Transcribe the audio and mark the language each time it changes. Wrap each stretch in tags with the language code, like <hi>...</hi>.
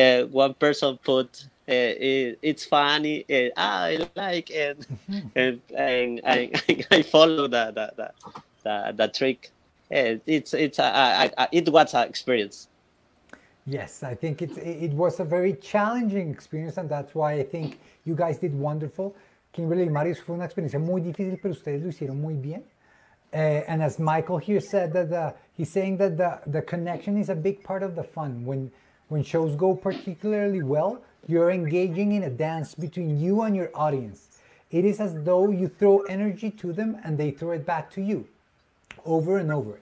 <en>one person put it's funny and I like it and I follow the trick and it was an experience. Yes, I think it was a very challenging experience, and that's why I think you guys did wonderful.</en> <es>Kimberly y Marius, fue una experiencia muy difícil, pero ustedes lo hicieron muy bien.</es> <en>And as Michael here said, that he's saying that the connection is a big part of the fun. When shows go particularly well, you're engaging in a dance between you and your audience. It is as though you throw energy to them and they throw it back to you over and over.</en>